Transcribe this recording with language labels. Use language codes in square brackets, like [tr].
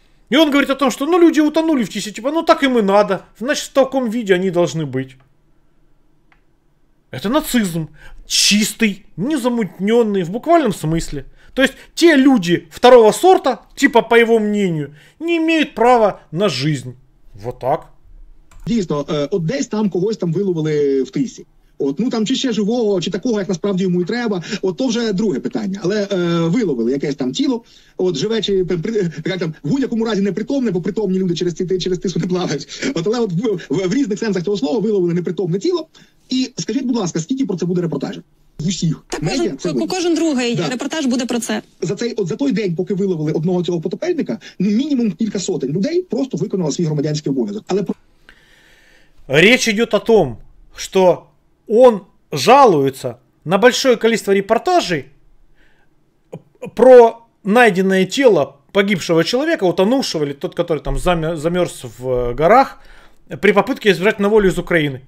[ru] И он говорит о том, что, ну, люди утонули в Тисе, типа, ну, так им и надо. Значит, в таком виде они должны быть. Это нацизм. Чистый, незамутненный, в буквальном смысле. То есть, те люди второго сорта, типа, по его мнению, не имеют права на жизнь. Вот так. [uk] Дійсно, от десь там когось там виловили в тисі. От, ну там чи ще живого, чи такого, як насправді йому і треба, от то вже друге питання. Але виловили якесь там тіло, от живе чи там, в будь-якому разі непритомне, бо притомні люди через тису не плавають. От, але от в різних сенсах цього слова виловили непритомне тіло. І скажіть, будь ласка, скільки про це буде репортажів? В усіх. Так, медіа, кожен другий, да. Репортаж буде про це. За той день, поки виловили одного цього потопельника, мінімум кілька сотень людей просто виконали свій громадянський обов'язок. Але [ru] речь идет о том, что он жалуется на большое количество репортажей про найденное тело погибшего человека, утонувшего, или тот, который там замерз в горах, при попытке избежать на волю из Украины.